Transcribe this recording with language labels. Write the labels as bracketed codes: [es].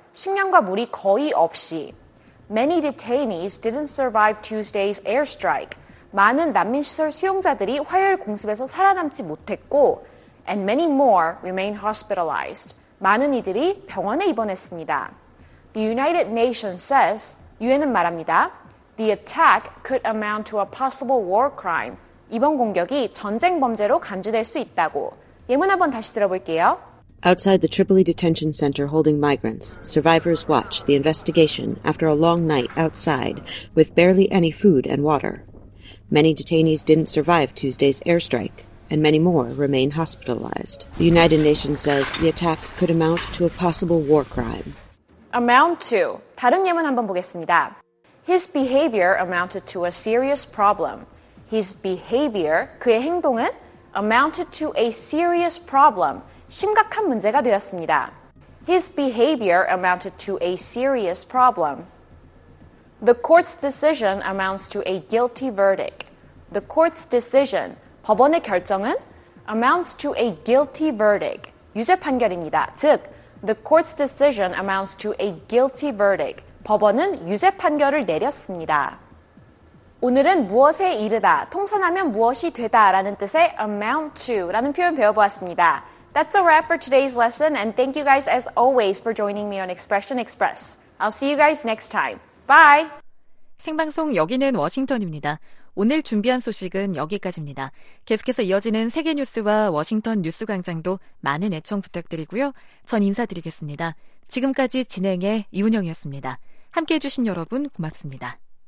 [ko] 식량과 물이 거의 없이 [en] many detainees didn't survive Tuesday's airstrike. [ko] 많은 난민시설 수용자들이 화요일 공습에서 살아남지 못했고 [en] And many more remain hospitalized. [ko] 많은 이들이 병원에 입원했습니다. [en] The United Nations says, [ko] 유엔은 말합니다. [en] The attack could amount to a possible war crime. [ko] 이번 공격이 전쟁 범죄로 간주될 수 있다고. 예문 한번 다시 들어볼게요. [en] Outside the Tripoli detention center holding migrants, survivors watch the investigation after a long night outside with barely any food and water. Many detainees didn't survive Tuesday's airstrike. And many more remain hospitalized. The United Nations says the attack could amount to a possible war crime. Amount to. [ko] 다른 예문 한번 보겠습니다. [en] His behavior amounted to a serious problem. His behavior, [ko] 그의 행동은 [en] amounted to a serious problem. [ko] 심각한 문제가 되었습니다. [en] His behavior amounted to a serious problem. The court's decision amounts to a guilty verdict. The court's decision. [ko] 법원의 결정은 [en] amounts to a guilty verdict, [ko] 유죄 판결입니다. [en] 즉, the court's decision amounts to a guilty verdict. [ko] 법원은 유죄 판결을 내렸습니다. 오늘은 무엇에 이르다, 통산하면 무엇이 되다 라는 뜻의 amount to 라는 표현 배워보았습니다. [en] That's a wrap for today's lesson and thank you guys as always for joining me on Expression Express. I'll see you guys next time. Bye! [ko] 생방송 여기는 워싱턴입니다. 오늘 준비한 소식은 여기까지입니다. 계속해서 이어지는 세계 뉴스와 워싱턴 뉴스 광장도 많은 애청 부탁드리고요. 전 인사드리겠습니다. 지금까지 진행의 이운영이었습니다. 함께 해주신 여러분 고맙습니다.